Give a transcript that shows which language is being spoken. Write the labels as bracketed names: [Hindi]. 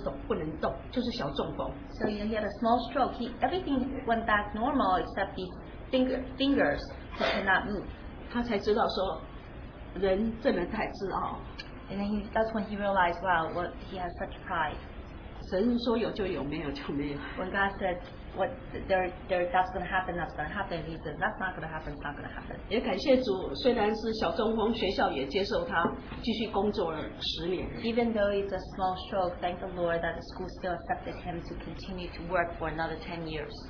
[Chinese] 只有连这五个手指头，什么都好了，就是这五个手指头不能动，就是小中风。 [English] So you know, he had a small stroke. Everything went back normal except the fingers. He cannot move. [Chinese] 他才知道说，人真的太自傲。 [English] And then that's when he realized, wow, what he has such pride. [Chinese] 神说有就有，没有就没有。 [English] When God said, what there that's going to happen, that's going to happen, he said, that's not going to happen, it's not going to happen. [Chinese] 也感谢主，虽然是小中风，学校也接受他继续工作了10年。 [English] Even though it's a small stroke, thank the Lord that the school still accepted him to continue to work for another 10 years.